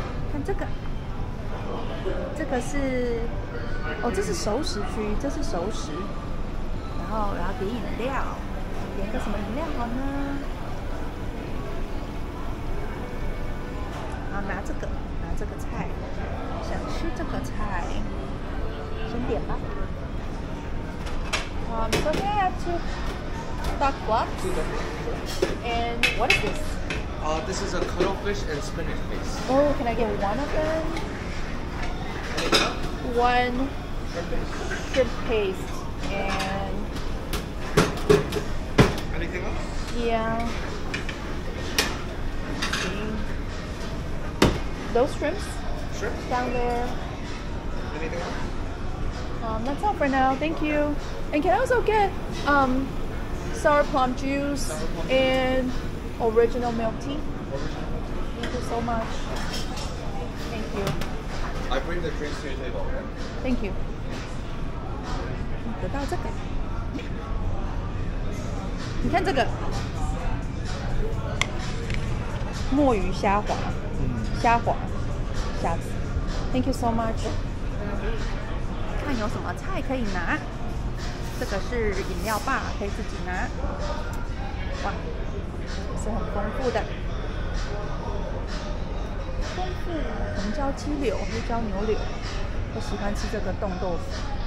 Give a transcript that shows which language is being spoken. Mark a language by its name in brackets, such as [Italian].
[Chinese] 看这个，这个是，哦，这是熟食区，这是熟食。然后点饮料，点个什么饮料好呢？拿这个菜，想吃这个菜，先点吧。 [English] So here I have two duck guts. And what is this? This is a cuttlefish and spinach paste. Oh, can I get one of them? One shrimp paste. And anything else? Yeah. Those shrimps? Shrimps? Down there. Anything else? That's all for now. Thank you. And can I also get sour plum juice and original milk tea? Thank you so much. Thank you. I bring the drinks to your table, okay? Thank you. [Chinese] 得到这个。你看这个。墨鱼虾滑。虾滑。下次 [English] ，Thank you so much。 [Chinese] 看有什么菜可以拿，这个是饮料吧，可以自己拿。哇，是很丰富的，丰富红椒鸡柳、黑椒牛柳，我喜欢吃这个冻豆腐。